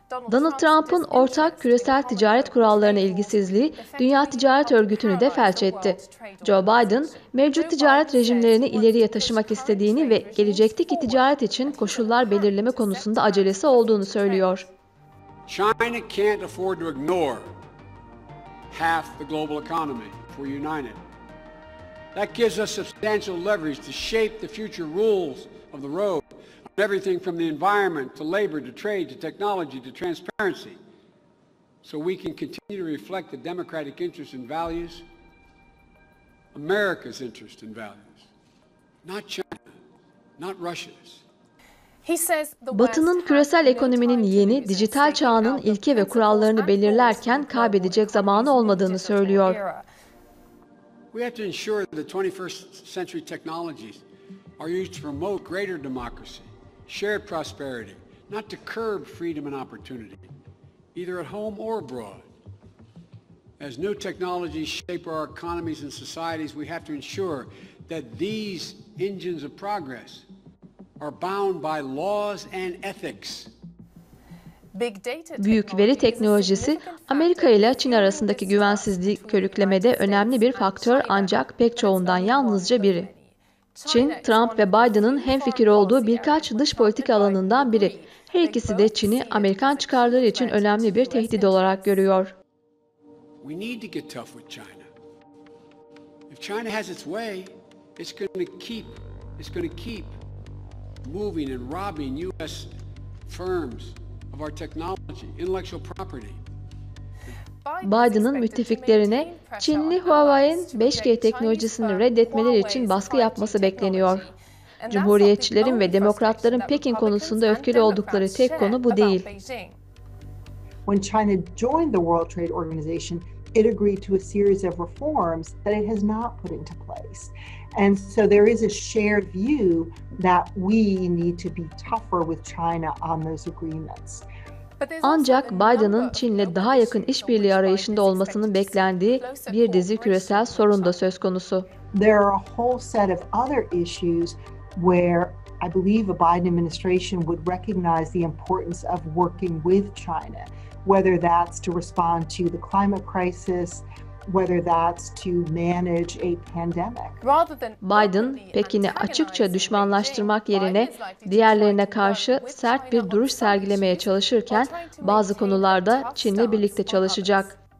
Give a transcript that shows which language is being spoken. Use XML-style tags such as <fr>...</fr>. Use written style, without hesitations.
<tr>Donald Trump'ın ortak küresel ticaret kurallarına ilgisizliği Dünya Ticaret Örgütü'nü de felç etti. Joe Biden, mevcut ticaret rejimlerini ileriye taşımak istediğini ve gelecekteki ticaret için koşullar belirleme konusunda acelesi olduğunu söylüyor.</tr> <en>China can't afford to ignore half the global economy if we're united. That gives us substantial leverage to shape the future rules of the road, everything from the environment to labor to trade to technology to transparency, so we can continue to reflect the democratic interests and values, America's interests and values, not China, not Russia's.</en> <tr>Batı'nın küresel ekonominin yeni, dijital çağının ilke ve kurallarını belirlerken kaybedecek zamanı olmadığını söylüyor.</tr> <en>We have to ensure that the 21st century technologies are used to promote greater democracy, shared prosperity, not to curb freedom and opportunity, either at home or abroad. As new technologies shape our economies and societies, we have to ensure that these engines of progress are bound by laws and ethics.</en> <tr>Büyük veri teknolojisi, Amerika ile Çin arasındaki güvensizliği körüklemede önemli bir faktör ancak pek çoğundan yalnızca biri. Çin, Trump ve Biden'ın hemfikir olduğu birkaç dış politika alanından biri. Her ikisi de Çin'i Amerikan çıkarları için önemli bir tehdit olarak görüyor.</tr> <en>We need to get tough with China. If China has its way, it's going to keep moving and robbing U.S. firms of our technology, intellectual property.</en> <tr>Biden'ın müttefiklerine Çinli Huawei'in 5G teknolojisini reddetmeleri için baskı yapması bekleniyor. Cumhuriyetçilerin ve demokratların Pekin konusunda öfkeli oldukları tek konu bu değil.</tr> <en>When China joined the World Trade Organization, it agreed to a series of reforms that it has not put into place. And so there is a shared view that we need to be tougher with China on those agreements.</en> <tr>Ancak Biden'ın Çin'le daha yakın işbirliği arayışında olmasının beklendiği bir dizi küresel sorun da söz konusu.</tr> <en>There are a whole set of other issues where I believe a Biden administration would recognize the importance of working with China, whether that's to respond to the climate crisis, whether that's to manage a pandemic.</en> <tr>Biden, Pekin'i açıkça düşmanlaştırmak yerine diğerlerine karşı sert bir duruş sergilemeye çalışırken bazı konularda Çin'le birlikte çalışacak.</tr>